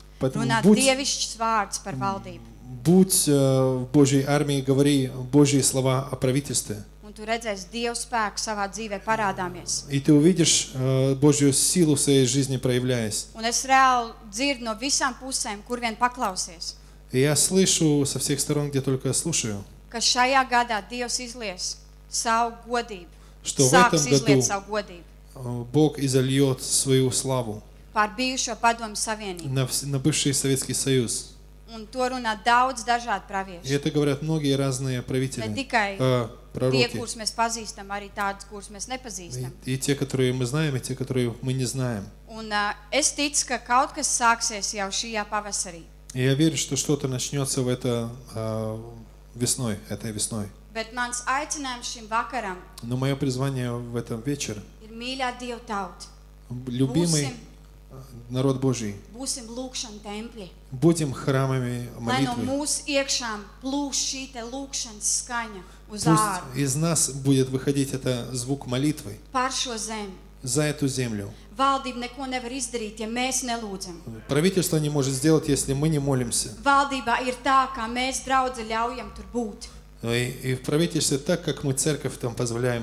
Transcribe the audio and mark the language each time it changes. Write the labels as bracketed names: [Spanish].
[Latvian] Runāt dievišķs vārds par valdību. [Russian] Будь в Божьей армии, говори Божьи слова о правительстве. [Latvian] Un tu redzēsi Dieva spēku savā dzīvē parādāmies. [Russian] И ты увидишь Божью силу в своей жизни проявляясь. [Latvian] Un es reāli dzirdu no visām pusēm, kur vien paklausies. [Russian] Я слышу со всех сторон, где только слушаю. [Latvian] Ka šajā gadā Dievs izlies savu godību. [Russian] Что в этом году Бог изольёт свою славу. [Latvian] Par bijušo padomu savienību. [Russian] На бывший Советский Союз. [Latvian] Un to runā daudz dažādi pravieši. [Russian] Это говорят многие разные правители. [Latvian] Ne tikai tie, kurus mēs pazīstam, arī tādus, kurus mēs nepazīstam. [Russian] И те, которые мы знаем, и те, которые мы не знаем. [Latvian] Un es ticu, ka kaut kas sāksies jau šajā pavasarī. [Russian] Я верю, что что-то начнется в это весной, этой весной. [Latvian] Bet mans aicinājums šim vakaram. [Russian] Но мое призвание в этом вечер. [Latvian] Ir mīļā Dieva tauta. [Russian] Любимый народ Божий. [Latvian] Būsim lūkšanu templi. [Russian] Будем храмами молитвы. [Latvian] Lai no mūsu iekšām plūs šī te lūkšanas skaņa uz ārā. Pūst [Russian] из нас будет выходить это звук молитвы. [Latvian] Par šo zemi. [Russian] За эту землю. [Latvian] Valdība neko nevar izdarīt, ja mēs nelūdzam. [Russian] Правительство не может сделать, если мы не молимся. [Latvian] Valdībā ir tā, kā mēs draudze ļaujam tur būt. [Russian] И в правительстве так, как мы церковь там позволяем